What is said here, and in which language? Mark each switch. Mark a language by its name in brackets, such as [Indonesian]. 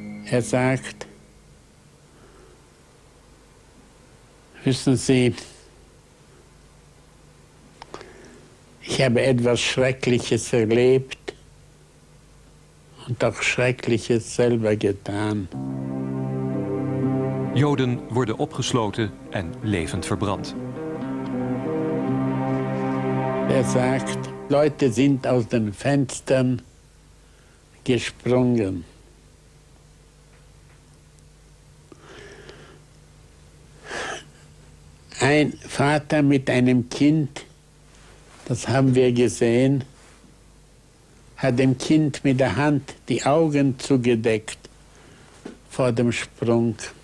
[German] Er sagt: Wissen Sie, ich habe etwas Schreckliches erlebt und auch Schreckliches selber getan. [Dutch] Joden worden opgesloten en levend verbrand. [German] Er sagt, Leute sind aus den Fenstern gesprungen. Ein Vater mit einem Kind, das haben wir gesehen, hat dem Kind mit der Hand die Augen zugedeckt vor dem Sprung.